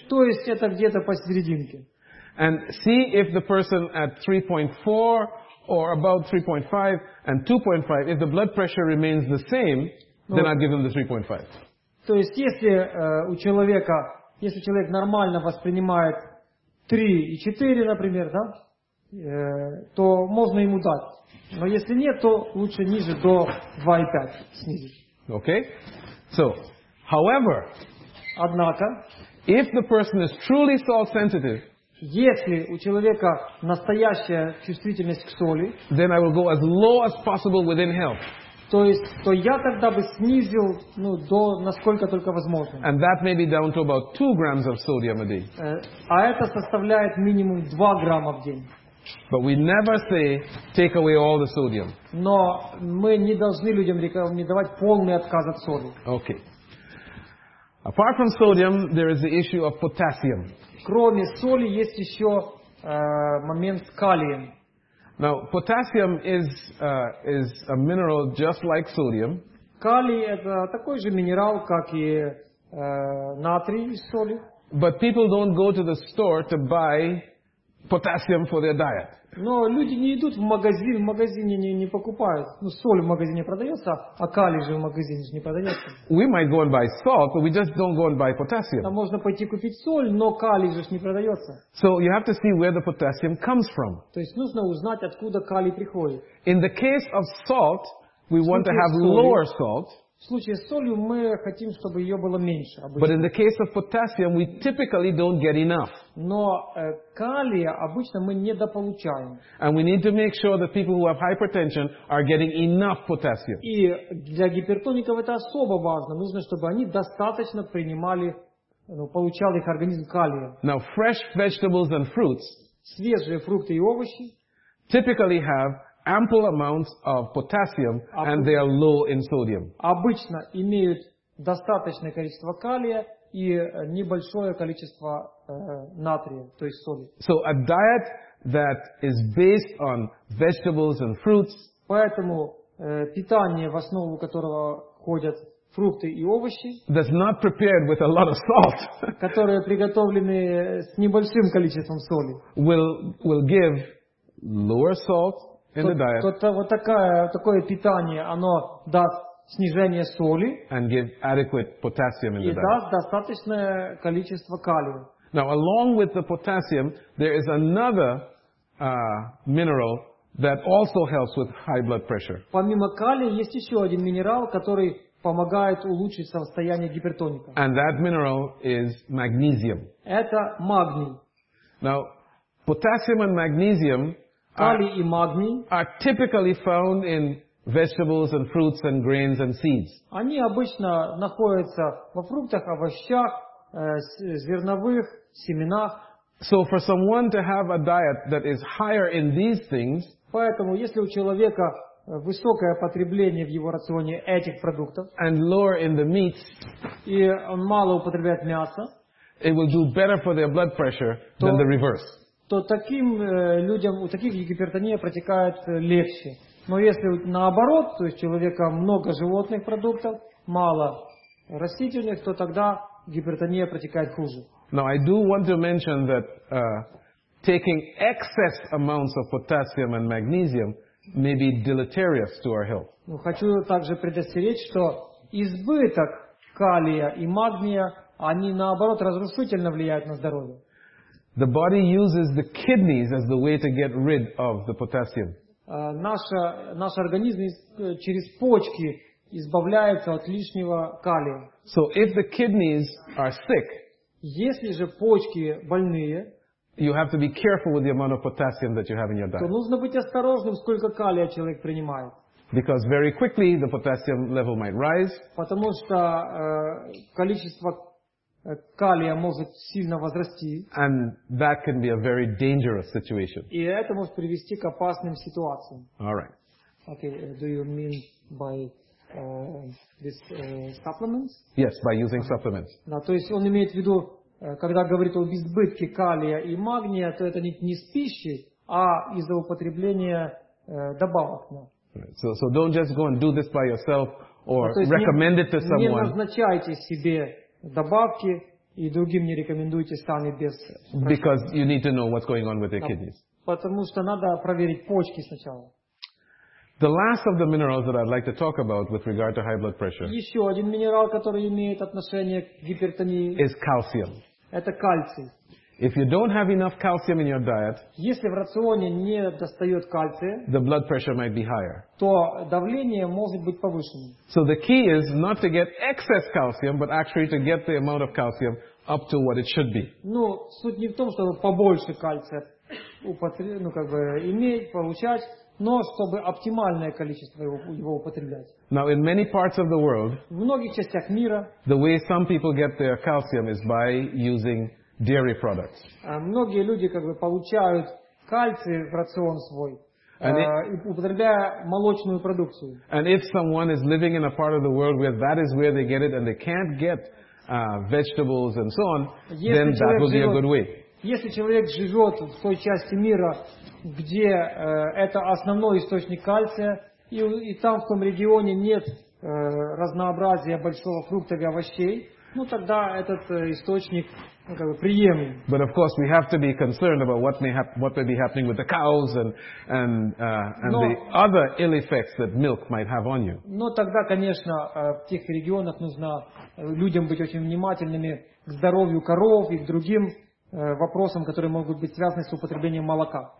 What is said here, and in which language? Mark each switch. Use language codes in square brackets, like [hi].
[ru] То есть это где-то посерединке. [en] And see if the person at 3.4 or about 3.5 and 2.5, if the blood pressure remains the same, then I'd give them the 3.5. [ru] То есть если у человека, если человек нормально воспринимает 3.4, например, да, то можно ему дать. Но если нет, то лучше ниже, до 2.5 снизить. [en] Okay. So, however, [ru] однако, [en] if the person is truly salt sensitive, [ru] если у человека настоящая чувствительность к соли, [en] then I will go as low as possible within health. [ru] То есть, то я тогда бы снизил, ну, до насколько только возможно. [en] And that may be down to about 2 grams of sodium a day. [ru] А это составляет минимум 2 грамма в день. [en] But we never say take away all the sodium. [ru] Но мы не должны людям рекомендовать полный отказ от соли. [en] Okay. Apart from sodium, there is the issue of potassium. [ru] Кроме соли есть еще момент калия. [en] Now, potassium is a mineral just like sodium. [ru] Калий это такой же минерал, как и натрий из соли. [en] But people don't go to the store to buy potassium for their diet. [ru] Но люди не идут в магазине не покупают. Ну, соль в магазине продается, а калий же в магазине же не продается. [en] We might go and buy salt, but we just don't go and buy potassium. [ru] А можно пойти купить соль, но калий же не продается. [en] So you have to see where the potassium comes from. [ru] То есть нужно узнать, откуда калий приходит. [en] In the case of salt, we want to have lower salt. [ru] В случае с солью мы хотим, чтобы ее было меньше. Обычно. [en] But in the case of potassium, we typically don't get enough. [ru] Но калия обычно мы недополучаем. [en] And we need to make sure that people who have hypertension are getting enough potassium. [ru] И для гипертоников это особо важно. Нужно, чтобы они достаточно принимали, ну, получал их организм калия. [en] Now, fresh vegetables and fruits. [ru] Свежие фрукты и овощи. [en] Typically have ample amounts of potassium and they are low in sodium. [ru] Обычно имеют достаточное количество калия и небольшое количество натрия, то есть соли. [en] So a diet that is based on vegetables and fruits. [ru] Поэтому питание, в основу которого входят фрукты и овощи. [en] That's not prepared with a lot of salt. [ru] Которые приготовлены с небольшим количеством соли. [en] Will give lower salt. In the diet. [ru] Такое питание, оно даст снижение соли. [en] And give adequate potassium in the diet. [ru] И даст достаточное количество калия. [en] Now, along with the potassium, there is another mineral that also helps with high blood pressure. [ru] Помимо калия есть еще один минерал, который помогает улучшить состояние гипертоника. [en] And that mineral is magnesium. [ru] Это магний. [en] Now, potassium and magnesium. [ru] Калий и магний [en] are typically found in vegetables and fruits and grains and seeds. [ru] Они обычно находятся во фруктах, овощах, зерновых, семенах. [en] So for someone to have a diet that is higher in these things, [ru] поэтому если у человека высокое потребление в его рационе этих продуктов. [en] And lower in the meats. [ru] И он мало употребляет мяса. [en] It will do better for their blood pressure than the reverse. [ru] То таким людям, у таких гипертония протекает легче. Но если наоборот, то есть у человека много животных продуктов, мало растительных, то тогда гипертония протекает хуже. [en] Now I do want to mention that taking excess amounts of potassium and magnesium may be deleterious to our health. [ru] Ну, хочу также предостеречь, что избыток калия и магния, они наоборот разрушительно влияют на здоровье. [en] The body uses the kidneys as the way to get rid of the potassium. [ru] Наш организм через почки избавляется от лишнего калия. [en] So if the kidneys are sick, [ru] если же почки больные, [en] you have to be careful with the amount of potassium that you have in your diet. [ru] То нужно быть осторожным, сколько калия человек принимает. [en] Because very quickly the potassium level might rise. [ru] Потому что количество калия может сильно возрасти. [en] And that can be a very dangerous situation. [ru] И это может привести к опасным ситуациям. [en] All right. Okay. Do you mean by this supplements? Yes, by using supplements. [ru] Да, то есть он имеет в виду, когда говорит об избытке калия и магния, то это не с пищи, а из-за употребления добавок. [en] So don't just go and do this by yourself or recommend it to someone. [ru] Не назначайте себе добавки и другим не рекомендуйте сами без. [en] Because you need to know what's going on with your kidneys. [ru] Потому что надо проверить почки сначала. [en] The last of the minerals that I'd like to talk about with regard to high blood pressure. [ru] Еще один минерал, который имеет отношение к гипертонии. [en] Is calcium. [ru] Это кальций. [en] If you don't have enough calcium in your diet, [ru] если в рационе не достает кальция, [en] the blood pressure might be higher. [ru] То давление может быть повышенным. [en] So the key is not to get excess calcium, but actually to get the amount of calcium up to what it should be. [ru] Ну, суть не в том, чтобы побольше кальция иметь, получать. Но чтобы оптимальное количество его употреблять. [en] Now, in many parts of the world, [ru] в многих частях мира, [en] the way some people get their calcium is by using dairy products. [ru] Многие люди получают кальций в рацион свой, употребляя молочную продукцию. [en] And if someone is living in a part of the world where that is where they get it and they can't get vegetables and so on, then that will be a good way. [ru] Если человек живет в той части мира, где это основной источник кальция, и там в том регионе нет разнообразия большого фруктов и овощей, ну тогда этот источник приемлем. [en] But of course we have to be concerned about what may be happening with the cows and the other ill effects that milk might have on you. [ru] Но тогда, конечно, в тех регионах нужно людям быть очень внимательными к здоровью коров и к другим вопросам, которые могут быть связаны с употреблением молока.